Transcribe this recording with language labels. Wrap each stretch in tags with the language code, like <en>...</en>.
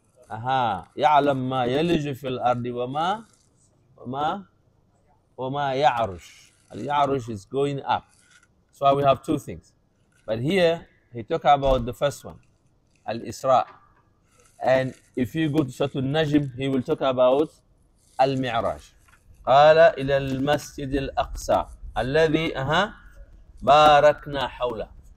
<ar>Aha, يعلم ما يلج في الأرض وما يعرش.</ar> <en>يعرش is going up. So we have two things. But here, he talk about the first one, Al-Isra. And if you go to Surah Al-Najm, he will talk about Al-Mi'raj.</en> <ar>قال إلى المسجد الأقصى الذي باركنا حوله.</ar>